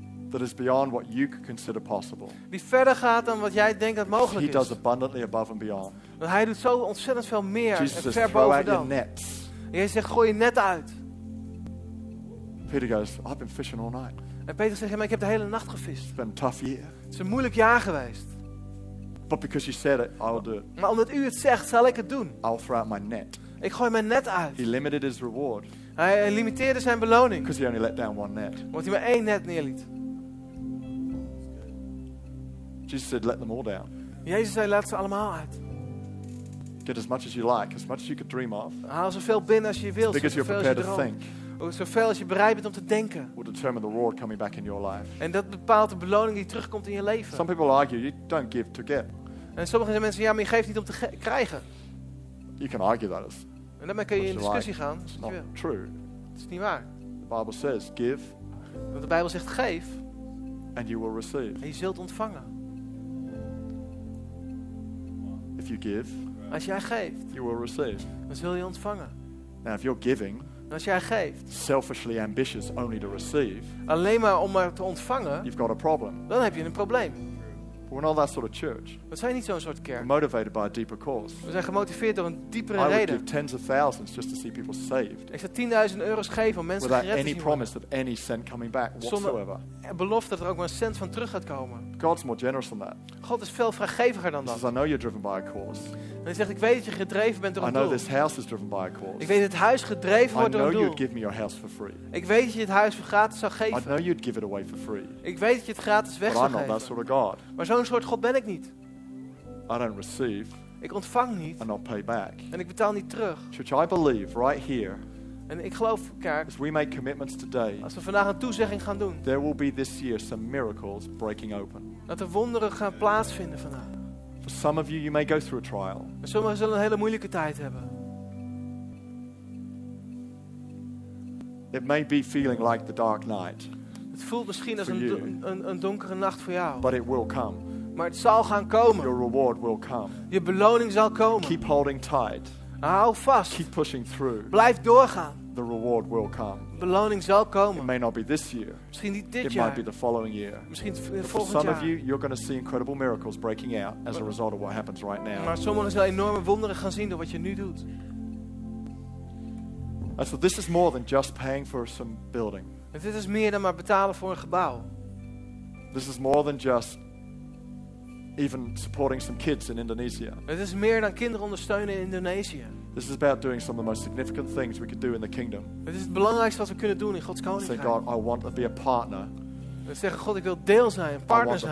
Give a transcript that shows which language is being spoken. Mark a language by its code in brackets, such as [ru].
[en] That is beyond what you could consider possible. [nl] Die verder gaat dan wat jij denkt dat mogelijk [en] he [nl] is. [en] He does abundantly above and beyond. [nl] Want hij doet zo ontzettend veel meer [en] Jesus [nl] en ver boven dan. [en] Nets. [nl] En jij zegt, gooi je net uit. [en] Peter goes, I've been fishing all night. [nl] En Peter zegt, maar ik heb de hele nacht gevist. [en] It's been a tough year. [nl] Het is een moeilijk jaar geweest. [en] But because you said it, I'll do it. [nl] Maar omdat u het zegt, zal ik het doen. [en] I'll throw out my net. [nl] Ik gooi mijn net uit. [en] He limited his reward. [nl] Hij limiteerde zijn beloning. [en] Because he only let down one net. [nl] Omdat hij maar één net neerliet. [en] Jesus said, let them all down. [nl] Jezus zei, laat ze allemaal uit. [en] Get as much as you like, as much as you could dream of. [nl] Haal zoveel binnen als je wilt, [en] because [nl] zoveel [en] you're prepared [nl] als je [en] to think. [nl] Zoveel als je bereid bent om te denken. [en] Will determine the reward coming back in your life. [nl] En dat bepaalt de beloning die terugkomt in je leven. [en] Some people argue, you don't give to get. [nl] En sommige mensen, ja, maar je geeft niet om te krijgen. [en] You can argue that. [nl] En daarmee kun je in discussie [en] like. [nl] Gaan. [en] It's not true. [nl] Het is niet waar. [en] The Bible says, give. [nl] Want de Bijbel zegt, geef. [en] And you will receive. [nl] En je zult ontvangen. [en] If you give. [nl] Als jij geeft. [en] You will receive. [nl] Dan zul je ontvangen. [en] Now if you're giving. [nl] En als jij geeft. [en] Selfishly ambitious only to receive. [nl] Alleen maar om maar te ontvangen. [en] You've got a problem. [nl] Dan heb je een probleem. [en] We're not that sort of church. [nl] We zijn niet zo'n soort kerk. [en] We're motivated by a deeper cause. [nl] We zijn gemotiveerd door een diepere reden. [en] I would give tens of thousands just to see people saved. [nl] Ik zou 10.000 euro's geven om mensen gered te zien. [en] Without any promise of any cent coming back whatsoever. [nl] Zonder belofte dat er ook maar een cent van terug gaat komen. [en] God's more generous than that. [nl] God is veel vrijgeviger dan dat. [en] Because I know you're driven by a cause. [nl] En hij zegt, ik weet dat je gedreven bent door een doel. [en] I know this house is driven by a cause. [nl] Ik weet dat het huis gedreven wordt door een doel. [en] I know you'd give me your house for free. [nl] Ik weet dat je het huis voor gratis zou geven. [en] I know you'd give it away for free. [nl] Ik weet dat je het gratis weg [en] But [nl] zou [en] I'm not [nl] geven. [en] That sort of God. [nl] Maar zo'n soort God ben ik niet. [en] I don't receive. [nl] Ik ontvang niet. [en] And I'll pay back. [nl] En ik betaal niet terug. [en] Church, I believe right here. [nl] En ik geloof, kerk, [en] as we make commitments today, [nl] als we vandaag een toezegging gaan doen, [en] there will be this year some miracles breaking open. [nl] Dat er wonderen gaan plaatsvinden vandaag. [en] For some of you, you may go through a trial. [nl] Sommigen zullen een hele moeilijke tijd hebben. [en] It may be feeling like the dark night. [nl] Het voelt misschien als een donkere nacht voor jou. [en] But it will come. [nl] Maar het zal gaan komen. [en] Your reward will come. [nl] Je beloning zal komen. [en] Keep holding tight. [nl] Hou vast. [en] Keep pushing through. [nl] Blijf doorgaan. [en] The reward will come. [nl] De beloning zal komen. [en] It may not be this year. [nl] Misschien niet dit [en] it [nl] jaar. [en] Might be the following year. [nl] Misschien volgend jaar. [en] For some of you, you're going to see incredible miracles breaking out as a result of what happens right now. [nl] Maar sommigen zullen enorme wonderen gaan zien door wat je nu doet. [en] And so this is more than just paying for some building. [nl] En dit is meer dan maar betalen voor een gebouw. [en] This is more than just even supporting some kids in Indonesia. [nl] Het is meer dan kinderen ondersteunen in Indonesië. [en] This is about doing some of the most significant things we could do in the kingdom. [nl] Het is het belangrijkste wat we kunnen doen in Gods koninkrijk. [en] Say, God, I want to be a partner. [nl] We zeggen, God, ik wil deel zijn, een partner zijn.